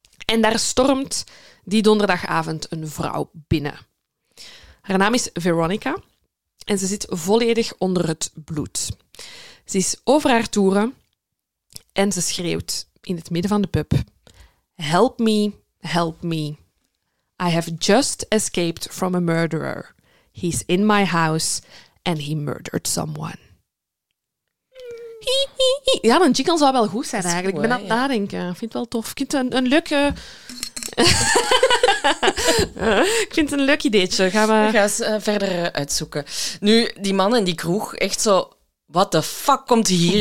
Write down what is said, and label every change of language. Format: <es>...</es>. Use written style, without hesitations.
<nl>En daar stormt die donderdagavond een vrouw binnen. Haar naam is Veronica en ze zit volledig onder het bloed. Ze is over haar toeren en ze schreeuwt in het midden van de pub:</nl> <en>"Help me, help me. I have just escaped from a murderer. He's in my house and he murdered someone."</en> <nl>Ja, een jingle zou wel goed zijn eigenlijk. Ik ben aan het nadenken. Ik vind het wel tof. Ik vind het een leuke... Ik vind het een leuk ideetje. Gaan we... Ik ga eens verder uitzoeken. Nu, die man in die kroeg, echt zo...</nl> <en>What the fuck</en> <nl>komt hier</nl>